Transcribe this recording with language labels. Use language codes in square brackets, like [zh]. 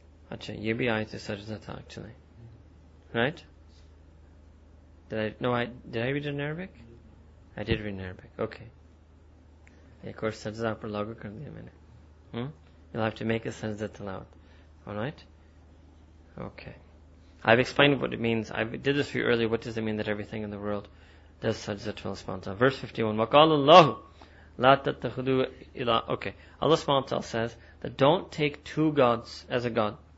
[hi] अच्छा, ये भी आयत है सजदा था actually. [en] Right? Did I read in Arabic? I did read in Arabic. Okay. Of course, [hi] सजदा पर लागू कर दिया मैंने. [en] You'll have to make a sajda tilawat. Alright? Okay. I've explained what it means. I did this for you earlier. What does it mean that everything in the world does sajda tilawat? Verse 51. [ar] وَقَالَ اللَّهُ لَا تَتَّخُذُ إِلَىٰ [en] Okay. Allah subhanahu wa ta'ala says that don't take two gods as a god.